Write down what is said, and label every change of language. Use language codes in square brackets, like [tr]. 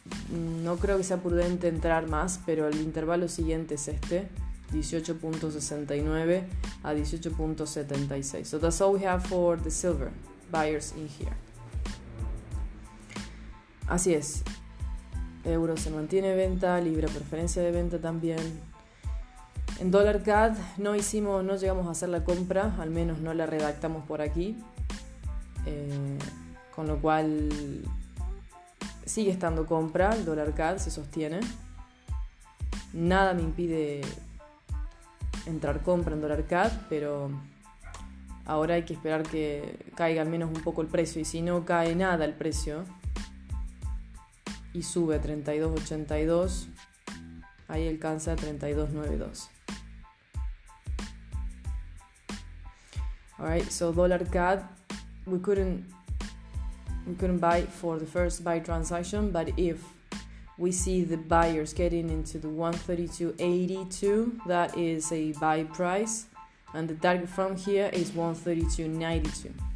[es] No creo que sea prudente entrar más, pero el intervalo siguiente es este. [en] 18.69 a 18.76. So that's all we have for the silver buyers in here. [es] Así es. Euro se mantiene venta, libre preferencia de venta también. En dólar CAD no llegamos a hacer la compra, al menos no la redactamos por aquí. Con lo cual sigue estando compra, el dólar CAD se sostiene. Nada me impide entrar compra en dólar CAD, pero ahora hay que esperar que caiga al menos un poco el precio. Y si no cae nada el precio y sube a 32.82, ahí alcanza 32.92. [en] Alright, so dólar CAD, we couldn't buy for the first buy transaction, but if we see the buyers getting into the 132.82, that is a buy price, and the target from here is 132.92.